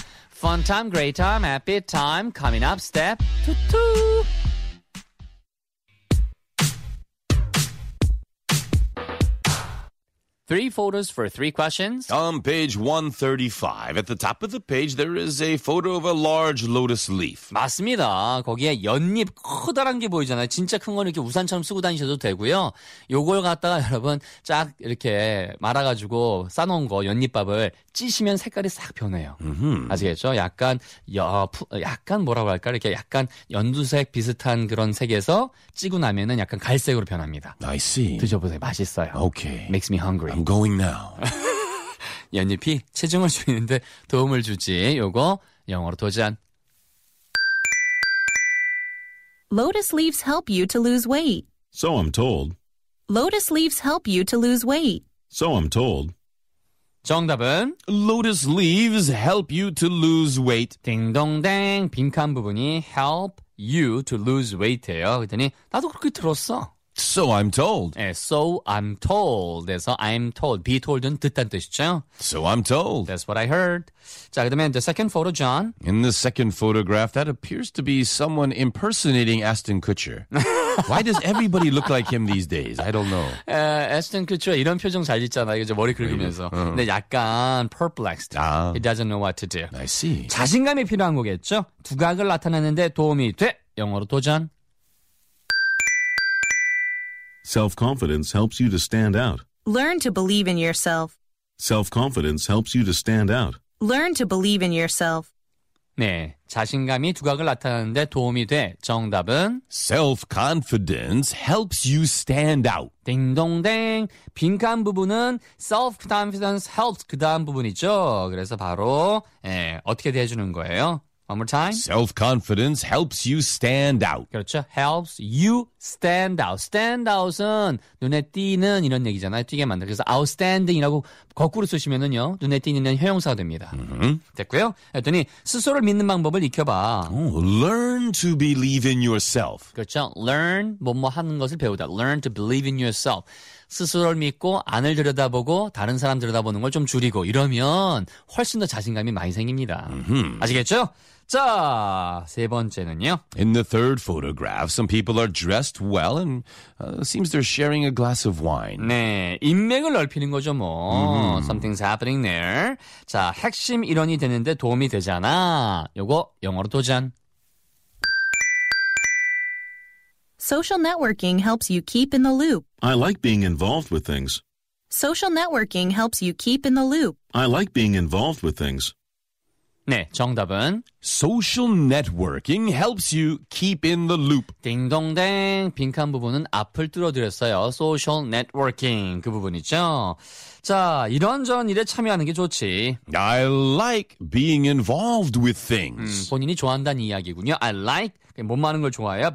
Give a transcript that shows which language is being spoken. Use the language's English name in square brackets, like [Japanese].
[English] Fun time, great time, happy time. Coming up, step two. Three photos for three questions. On page 135, at the top of the page, there is a photo of a large lotus leaf. [Korean] 맞습니다. 거기에 연잎 커다란 게 보이잖아요. 진짜 큰 건 이렇게 우산처럼 쓰고 다니셔도 되고요. 요걸 갖다가 여러분 쫙 이렇게 말아가지고 싸놓은 거 연잎밥을 찌시면 색깔이 싹 변해요. 아시겠죠? 약간 약간 뭐라고 할까? 이렇게 약간 연두색 비슷한 그런 색에서 찌고 나면은 약간 갈색으로 변합니다. [English] I see. [Korean] 드셔보세요. 맛있어요. [English] Okay. Makes me hungry. I'm I'm going now. [Korean] 연잎이 체중을 줄이는데 도움을 주지. 요거 영어로 도전. [English] Lotus leaves help you to lose weight. So I'm told. Lotus leaves help you to lose weight. So I'm told. [Korean] 정답은 [English] Lotus leaves help you to lose weight. [Korean] 딩동댕 빈칸 부분이 [English] help you to lose weight [Korean] 예요. 그랬더니 나도 그렇게 들었어. [English] So I'm told. 네, so I'm told. 그래서 I'm told. [Korean] Be told은 듣단 뜻이죠. [English] So I'm told. That's what I heard. [Korean] 자, 그 다음에 [English] the second photo, John. In the second photograph, that appears to be someone impersonating Ashton Kutcher. Why does everybody look like him these days? I don't know. [Korean] Ashton Kutcher 이런 표정 잘 짓잖아. 이제 머리 긁으면서. 근데 약간 perplexed. [English] He doesn't know what to do. I see. [Korean] 자신감이 필요한 거겠죠. 두각을 나타내는데 도움이 돼. 영어로 도전. [English] Self-confidence helps you to stand out. Learn to believe in yourself. Self-confidence helps you to stand out. Learn to believe in yourself. [Korean] 네, 자신감이 두각을 나타내는데 도움이 돼. 정답은 [English] Self-confidence helps you stand out. [Korean] 딩동댕. 빈칸 부분은 [English] self-confidence helps [Korean] 그 다음 부분이죠. 그래서 바로 예, 어떻게 대해주는 거예요? [English] One more time. Self-confidence helps you stand out. [Korean] 그렇죠. [English] Helps you stand out. [Korean] Stand out은 눈에 띄는 이런 얘기잖아요. 띄게 만들. 그래서 outstanding이라고 거꾸로 쓰시면은요. 눈에 띄는 형용사가 됩니다. Mm-hmm. 됐고요. 그랬더니 스스로를 믿는 방법을 익혀봐. [English] Learn to believe in yourself. [Korean] 그렇죠. Learn 뭐뭐 하는 것을 배우다. [English] Learn to believe in yourself. [Korean] 스스로를 믿고 안을 들여다보고 다른 사람 들여다보는 걸 좀 줄이고 이러면 훨씬 더 자신감이 많이 생깁니다. Mm-hmm. 아시겠죠? 자, 세 번째는요. [English] In the third photograph, some people are dressed well and seems they're sharing a glass of wine. [Korean] 네, 인맥을 넓히는 거죠, 뭐. Mm-hmm. [English] Something's happening there. [Korean] 자, 핵심 일원이 되는데 도움이 되잖아. 요거 영어로 도전. [English] Social networking helps you keep in the loop. I like being involved with things. Social networking helps you keep in the loop. I like being involved with things. [Korean] 네, 정답은 [English] Social networking helps you keep in the loop. [Korean] 딩동댕. 빈칸 부분은 앞을 뚫어드렸어요. [English] Social networking [Korean] 그 부분이죠. 자, 이런저런 일에 참여하는 게 좋지. [English] I like being involved with things. [Korean] 본인이 좋아한다는 이야기군요. [English] I like [Korean] 뭔 많은 걸 좋아해요?